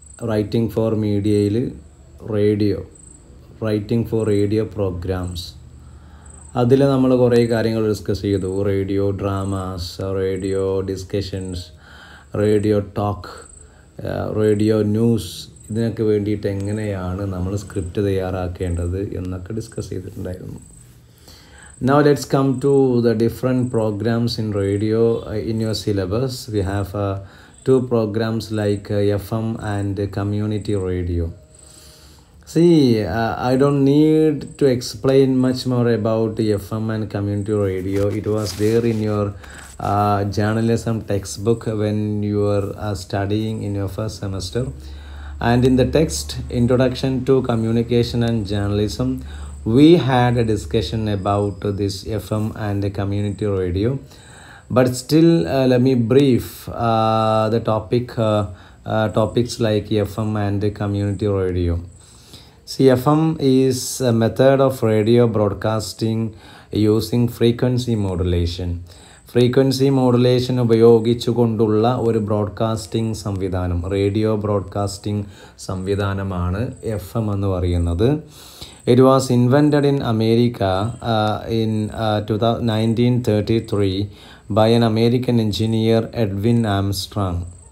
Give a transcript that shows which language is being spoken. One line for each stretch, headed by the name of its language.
Malayalam: Writing for മീഡിയയിൽ radio, writing for radio programmes, അതിൽ നമ്മൾ കുറേ കാര്യങ്ങൾ ഡിസ്കസ് ചെയ്തു. Radio dramas, radio discussions, radio talk, radio news, ഇതിനൊക്കെ വേണ്ടിയിട്ട് എങ്ങനെയാണ് നമ്മൾ സ്ക്രിപ്റ്റ് തയ്യാറാക്കേണ്ടത് എന്നൊക്കെ ഡിസ്കസ് ചെയ്തിട്ടുണ്ടായിരുന്നു.
English: Now let's come to the different programs in radio in your syllabus. We have two programs like FM and community radio. See, I don't need to explain much more about FM and community radio. It was there in your journalism textbook when you were studying in your first semester. And in the text, Introduction to Communication and Journalism, we had a discussion about this FM and community radio. But still, let me brief the topic, topics like FM and community radio. See, FM is a method of radio broadcasting using frequency modulation.
Malayalam: Frequency modulation ഉപയോഗിച്ചുകൊണ്ടുള്ള ഒരു broadcasting സംവിധാനം, radio broadcasting സംവിധാനമാണ് F M എന്ന് പറയുന്നത്.
English: It was invented in America in 1933 by an American engineer Edwin Armstrong.